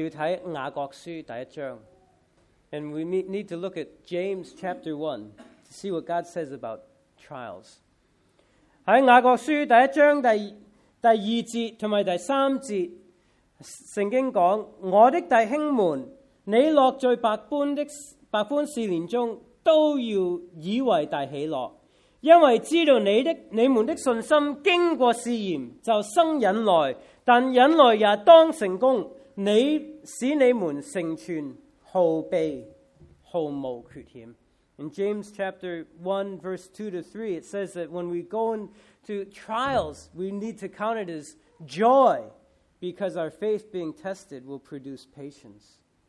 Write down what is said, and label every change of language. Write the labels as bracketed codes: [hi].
[zh] 原因我们不需要做到这一类的牺牲，是因为耶稣已经为我们付赎一切的罪债。耶稣已经为我们牺牲了。当我们讲到试验的时候，我们要看雅各书第一章， [en] and we need to look at James chapter 1 to see what God says about trials. [zh] 在雅各书第一章第二节和第三节，圣经讲：我的弟兄们，你落在百般的试炼中，都要以为大喜乐，因为知道你们的信心经过试验，就生忍耐。但忍耐也当成功，使你们成全毫无缺欠。 [en] In James chapter 1, verse 2 to 3, it says that when we go into trials, we need to count it as joy, because our faith being tested will produce patience.